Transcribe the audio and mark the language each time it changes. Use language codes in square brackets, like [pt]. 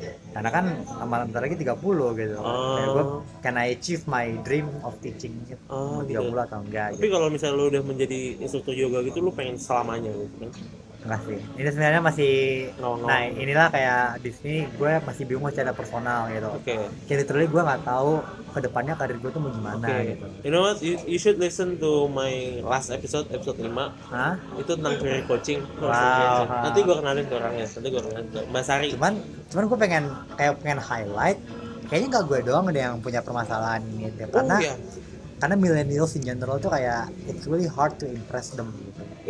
[id] Karena kan nanti lagi 30 gitu. [en] Can I achieve my dream of teaching gitu. [id] 30 atau enggak gitu. Tapi kalau misalnya lu udah menjadi instruktur yoga gitu, lu pengen selamanya gitu kan? Enggak sih. Ini sebenarnya masih inilah kayak di sini gue masih bingung secara personal gitu. Oke. [en] Okay. [id] Literally gue enggak tahu ke depannya karir gue tuh mau gimana gitu. [en] You know what? You should listen to my last episode 5. Hah? [id] Itu tentang career coaching. Wow. Nanti gue kenalin ke orangnya. Nanti gue kenalin Mbak Sari. Cuman gue pengen highlight, kayaknya gak gue doang ada yang punya permasalahan ini gitu. Karena karena millennials in general tuh kayak [en] it's really hard to impress them [id] gitu.